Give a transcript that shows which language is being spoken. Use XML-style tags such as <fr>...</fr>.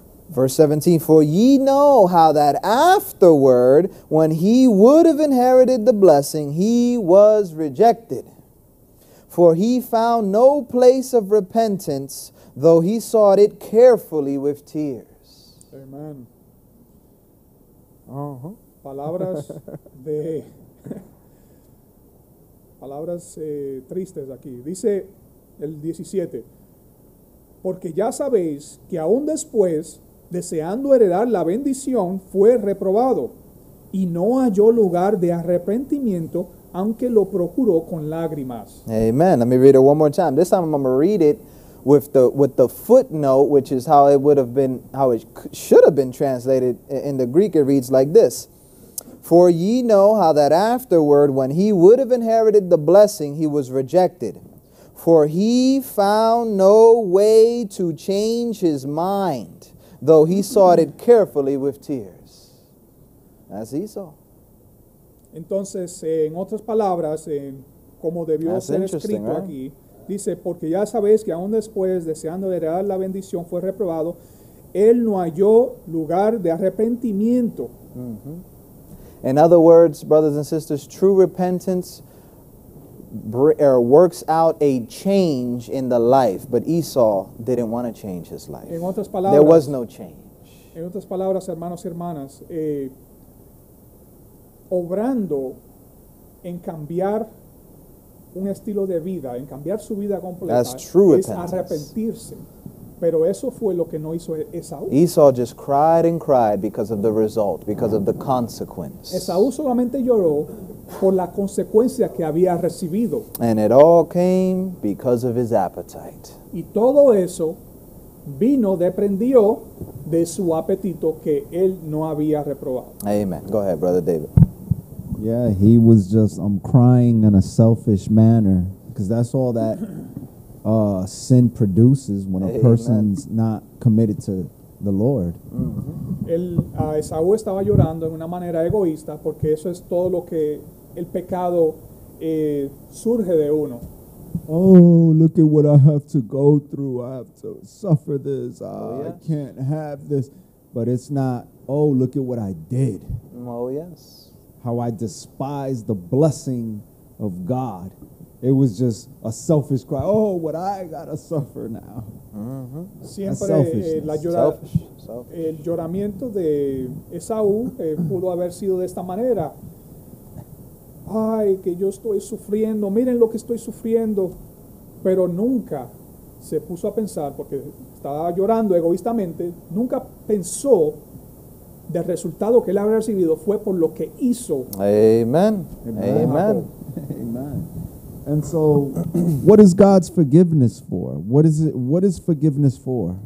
<en>Verse 17, for ye know how that afterward, when he would have inherited the blessing, he was rejected. For he found no place of repentance, though he sought it carefully with tears. Amen.</en> <es>Palabras de palabras tristes aquí. Dice, el 17. Porque ya sabéis que aún después, deseando heredar la bendición, fue reprobado y no halló lugar de arrepentimiento, aunque lo procuró con lágrimas.</es> <en>Amen. Let me read it one more time. This time I'm going to read it with the footnote, which is how it would have been, how it should have been translated in the Greek. It reads like this: For ye know how that afterward, when he would have inherited the blessing, he was rejected. For he found no way to change his mind, though he sought it carefully with tears. As Esau.</en> <es>Entonces, en otras palabras, en como debió</es> <en>That's</en> <es>ser escrito</es> <en>right?</en> <es>aquí, dice, porque ya sabéis que aún después, deseando heredar la bendición, fue reprobado, él no halló lugar de arrepentimiento. Mm-hmm.</es> <en>In other words, brothers and sisters, true repentance works out a change in the life. But Esau didn't want to change his life.</en> <es>En otras palabras,</es> <en>there was no change.</en> <es>En otras palabras, hermanos y hermanas, obrando en cambiar un estilo de vida, en cambiar su vida completa,</es> <en>That's true</en> <es>es</es> <en>repentance.</en> <es>Arrepentirse. Pero eso fue lo que no hizo Esaú.</es> <en>Esau just cried and cried because of the result, because of the consequence.</en> <es>Esaú solamente lloró por la consecuencia que había recibido.</es> <en>And it all came because of his appetite.</en> <es>Y todo eso vino, dependió de su apetito que él no había reprobado.</es> <en>Amen. Go ahead, Brother David. Yeah, he was just crying in a selfish manner because that's all that... sin produces when a person's Amen. Not committed to the Lord.</en> <es>El Esaú estaba llorando en una manera egoísta porque eso es todo lo que el pecado surge de uno.</es> <en>Oh, look at what I have to go through. I have to suffer this. I can't have this. But it's not, oh, look at what I did. Oh, yes. How I despise the blessing of God. It was just a selfish cry. Oh, what I gotta suffer now.</en> <es>Siempre el lloramiento de Esaú pudo haber sido de esta manera. Ay, que yo estoy sufriendo. Miren lo que estoy sufriendo. Pero nunca se puso a pensar, porque estaba llorando egoístamente, nunca pensó del resultado que él había recibido fue por lo que hizo.</es> <en>Amen. Amen. Amen. And so, what is God's forgiveness for? What is it? What is forgiveness for?</en>